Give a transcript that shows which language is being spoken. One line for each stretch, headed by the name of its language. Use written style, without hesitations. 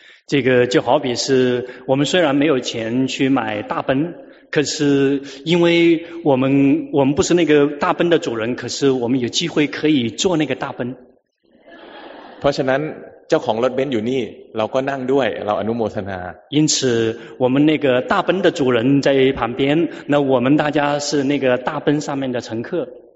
Chinese: 这个就好比是我们虽然没有钱去买大奔可是因为我们不是那个大奔的主人可是我们有机会可以坐那个大奔
Thai: เพราะฉะนั้นเจ้าของรถเบนซ์อยู่นี่เราก็นั่งด้วยเราอนุโมทนา
Chinese: 因此我们那个大奔的主人在旁边那我们大家是那个大奔上面的乘客